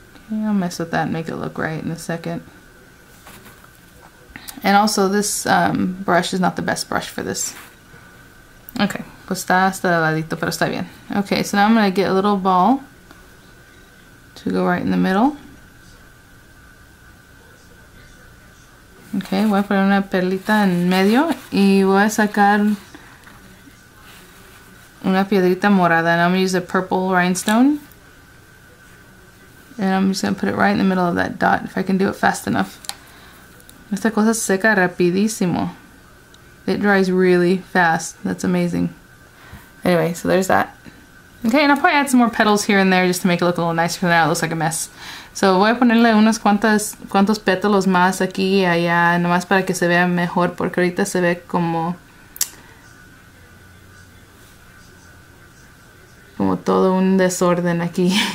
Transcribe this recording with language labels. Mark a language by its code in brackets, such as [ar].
[en] Yeah, I'll mess with that and make it look right in a second. And also, this brush is not the best brush for this. Okay, [es] pues está ladito, pero está bien. [en] Okay, so now I'm going to get a little ball to go right in the middle. [es] Okay, voy a poner una perlita en medio y voy a sacar una piedrita morada. [en] And I'm going to use a purple rhinestone. And I'm just going to put it right in the middle of that dot, if I can do it fast enough. [es] Esta cosa seca rapidísimo. [en] It dries really fast. That's amazing. Anyway, so there's that. Okay, and I'll probably add some more petals here and there just to make it look a little nicer. Now it looks like a mess. [es] So voy a ponerle unos cuantos pétalos más aquí y allá, nomás para que se vea mejor, porque ahorita se ve como todo un desorden aquí.